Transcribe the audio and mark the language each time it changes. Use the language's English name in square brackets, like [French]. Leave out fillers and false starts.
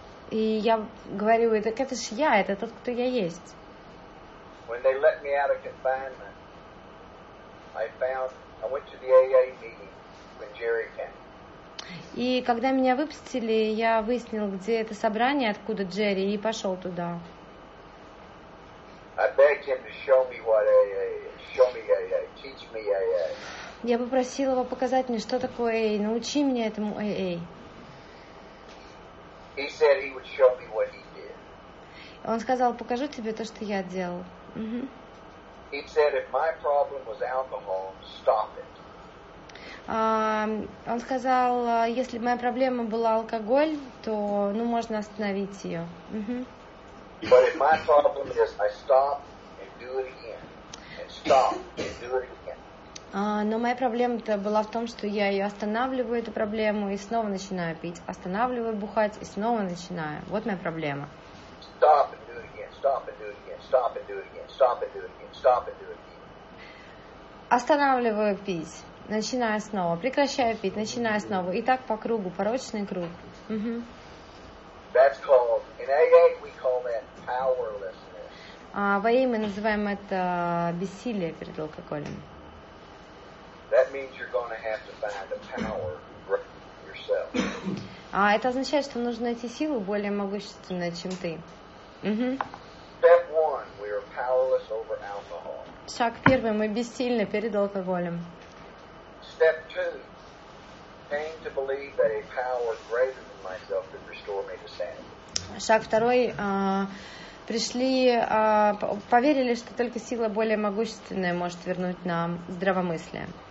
[Russian] И я говорю, так это ж я, это тот, кто я есть. [English] When they let me out of confinement, I went to the AA meeting when Jerry came. [Russian] И когда меня выпустили, я выяснил, где это собрание, откуда Джерри, и пошел туда. [English] I begged him to show me what AA is. Show me AA. Teach me AA. [Russian] Я попросила его показать мне, что такое AA. Научи меня этому AA. [English] He said he would show me what he did. [Russian] Он сказал, покажу тебе то, что я делал. [English] He said, if my problem was alcohol, stop it. [Russian] Он сказал, если моя проблема была алкоголь, то ну можно остановить ее. [English] But if my problem is I stop and do it again. And stop and do it again. [Russian] Но моя проблема-то была в том, что я ее останавливаю, эту проблему, и снова начинаю пить. Останавливаю бухать и снова начинаю. Вот моя проблема. [English] Stop and do it again, stop and do it again, stop and do it again, stop and do it again, stop and do it again. [Russian] Останавливаю пить, начинаю снова. Прекращаю пить, начинаю снова. И так по кругу, порочный круг. [English] That's called, in AA we call that powerlessness. [Russian] В AA мы называем это бессилие перед алкоголем. [English] That means you're going to have to find a power greater yourself. [Russian] Это означает, что нужно найти силу более могущественную, чем ты. [English] Step one, we are powerless over alcohol. [Russian] Шаг первый, мы бессильны перед алкоголем. [English] Step two, came to believe that a power greater than myself could restore me to sanity. [Russian] Шаг второй, пришли, поверили, что только сила более могущественная может вернуть нам здравомыслие.